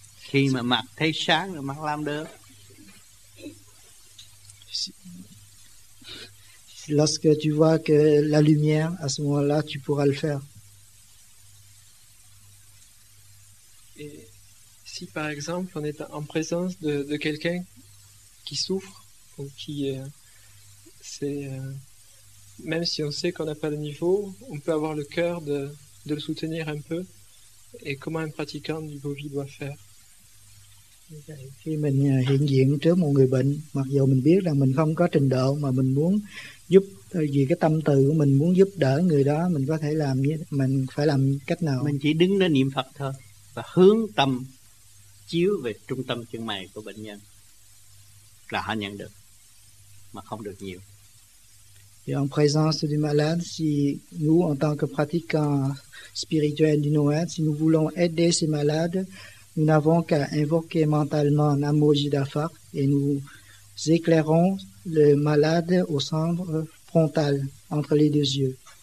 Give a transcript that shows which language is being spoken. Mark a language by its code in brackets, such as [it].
[vi] Khi mà mặt thấy sáng rồi mặt làm được. [fr] Lorsque tu vois que la lumière, à ce moment-là, tu pourras le faire. Et si, par exemple, on est en présence de quelqu'un qui souffre, ou qui même si on sait qu'on n'a pas de niveau, on peut avoir le cœur de le soutenir un peu. Et comment un pratiquant du Bovi doit faire? [vi] Khi mình hiện diện trước một người bệnh, mặc dù mình biết rằng mình không có trình độ mà mình muốn giúp, vì cái tâm từ của mình muốn giúp đỡ người đó, mình có thể làm như, mình phải làm cách nào? Mình chỉ đứng đó niệm Phật thôi và hướng tâm chiếu về trung tâm chân mày của bệnh nhân là họ nhận được, mà không được nhiều. [fr] Et en présence du malade, si nous, en tant que pratiquants spirituels du Noël, si nous voulons aider ces malades, nous n'avons qu'à invoquer mentalement Namo Jidafa et nous éclairons le malade au centre frontal, entre les deux yeux.